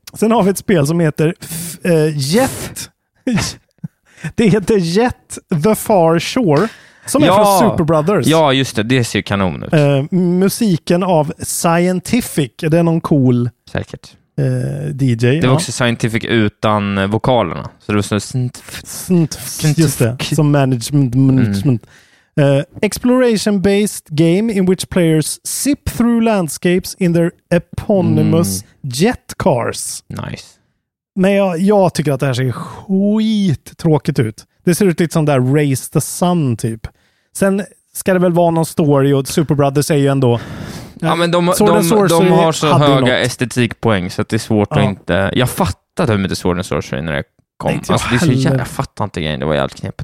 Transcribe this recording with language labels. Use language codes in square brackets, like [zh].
[sv] Sen har vi ett spel som heter Jet... Det heter Jet The Far Shore, som är från Super Brothers. Ja, just det. Det ser ju kanon ut. Musiken av Scientific. Det är någon cool... Säkert. DJ. Det var också Scientific utan vokalerna. Så det var sånt... Just det. Som management. [en] Exploration-based game in which players zip through landscapes in their eponymous jet cars. Nice. [sv] Men jag tycker att det här ser skit tråkigt ut. Det ser ut lite som där Race the Sun typ. Sen ska det väl vara någon story, och Super Brothers säger ju ändå... Ja, men de har så höga estetikpoäng så att det är svårt att inte... Jag fattade hur mycket Sword and Sorcery när det kom. Nej, alltså, jag fattar inte grejen, det var jävligt knepigt.